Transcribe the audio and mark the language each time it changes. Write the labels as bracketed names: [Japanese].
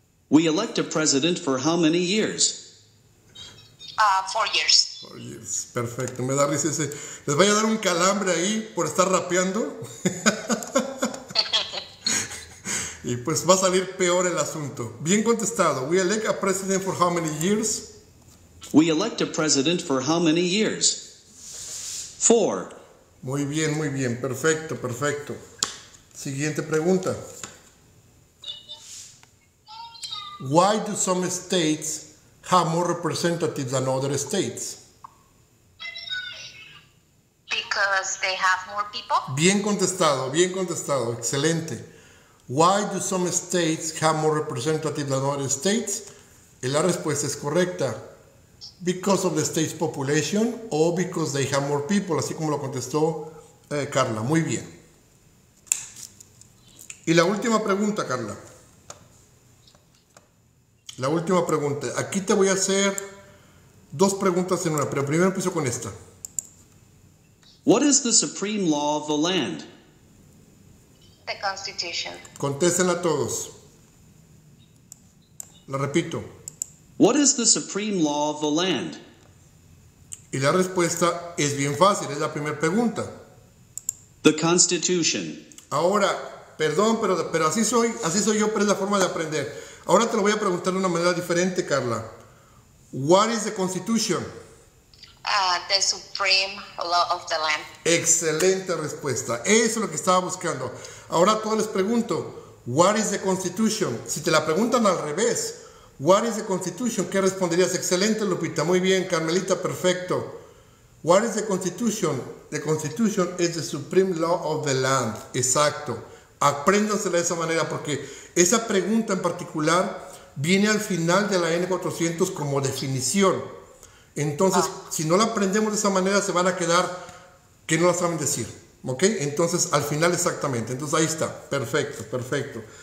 [English] We elect a president for how many years? 4 years. 4 years, [Spanish] perfecto. Me da risa ese. Les vaya a dar un calambre ahí por estar rapeando. Y pues va a salir peor el asunto. Bien contestado. [English] We elect a president for how many years? We elect a president for how many years? 4. [Spanish] Muy bien, perfecto, perfecto. Siguiente pregunta. [English] Why do some states have more representatives than other states? Because they have more people. [Spanish] Bien contestado, excelente. [English] Why do some states have more representatives than other states? [Spanish] Y la respuesta es correcta. [English] Because of the state's population or because they have more people, [Spanish] así como lo contestó Carla. Muy bien. Y la última pregunta, Carla. La última pregunta. Aquí te voy a hacer dos preguntas en una, pero primero empiezo con esta. [English] What is the supreme law of the land? The Constitution. [Spanish] Contéstenla todos. La repito. [English] What is the supreme law of the land? [Spanish] Y la respuesta es bien fácil, es la primera pregunta. [English] The Constitution. [Spanish] Ahora, perdón, pero así soy yo, pero es la forma de aprender. Ahora te lo voy a preguntar de una manera diferente, Carla. [English] What is the Constitution? The supreme law of the land. [Spanish] Excelente respuesta. Eso es lo que estaba buscando. Ahora todos les pregunto, [English] what is the Constitution? [Spanish] Si te la preguntan al revés, [English] what is the Constitution? [Spanish] ¿Qué responderías? Excelente, Lupita. Muy bien, Carmelita. Perfecto. [English] What is the Constitution? The Constitution is the supreme law of the land. [Spanish] Exacto. Apréndansela de esa manera porque esa pregunta en particular viene al final de la N400 como definición. Entonces, si no la aprendemos de esa manera, se van a quedar que no la saben decir. ¿Ok? Entonces, al final exactamente. Entonces, ahí está. Perfecto, perfecto.